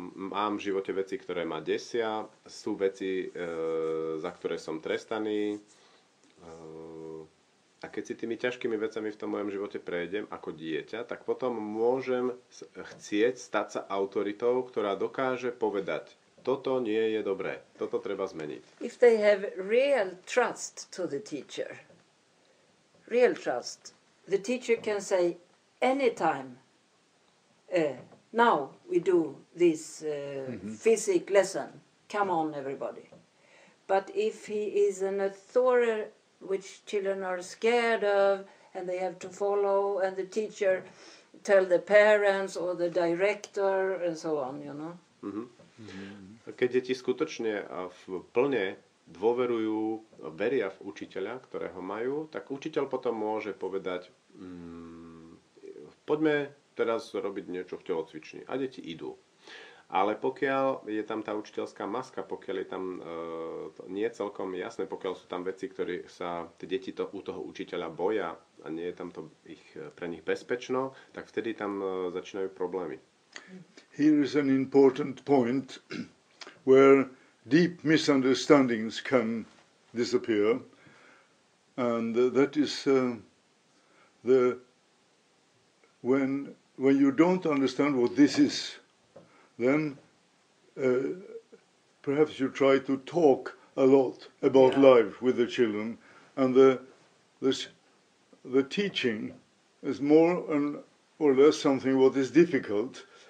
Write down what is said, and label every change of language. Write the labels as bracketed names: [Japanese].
[Slovak] Mám v živote veci, ktoré ma desia, sú veci, za ktoré som trestaný. A keď si tými ťažkými vecami v tom mojom živote prejdem ako dieťa, tak potom môžem chcieť stať sa autoritou, ktorá dokáže povedať, toto nie je dobré, toto treba zmeniť. [English] If they have real trust to the teacher, real trust, the teacher can say anytime, now we do this physic lesson. Come on, everybody. But if he is an authority which children are scared of and they have to follow and the teacher tell the parents or the director and so on, you know. Mm-hmm. [Slovak] Keď deti skutočne a plne dôverujú, veria v učiteľa, ktorého majú, tak učiteľ potom môže povedať, poďme teraz robiť niečo v telocvični. A deti idú. Ale pokiaľ je tam tá učiteľská maska, pokiaľ je tam nie celkom jasné, pokiaľ sú tam veci, ktoré sa tie deti to u toho učiteľa boja a nie je tam to ich, pre nich bezpečno, tak vtedy tam začínajú problémy. [English] Here is an important point where deep misunderstandings can disappear and that is when you don't understand what this is, then perhaps you try to talk a lot about life with the children, and the teaching is more or less something what is difficult.